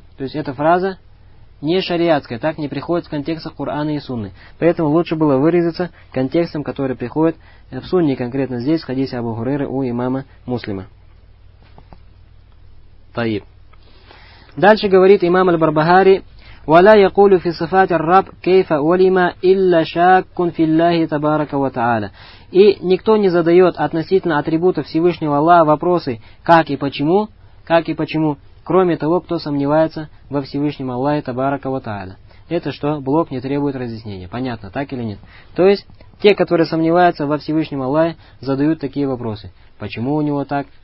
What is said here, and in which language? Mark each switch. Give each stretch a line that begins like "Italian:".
Russian: То есть эта фраза не шариатская, так не приходит в контекст Корана и Сунны. Поэтому лучше было выразиться контекстом, который приходит в Сунне, конкретно здесь, в хадисе Абу Хурейры у имама Муслима. Таиб. Дальше говорит имам Аль-Барбахари.
Arabic: ولا يقول في صفات الرب كيف ولما إلا شاك في الله تبارك وتعالى.
Russian: И никто не задает относительно атрибутов Всевышнего Аллаха вопросы, как и почему, кроме того, кто сомневается во Всевышнем Аллахе табарака ва тааля. Это что, блок не требует разъяснения. Понятно, так или нет? То есть те, которые сомневаются во Всевышнем Аллахе, задают такие вопросы: почему у него так?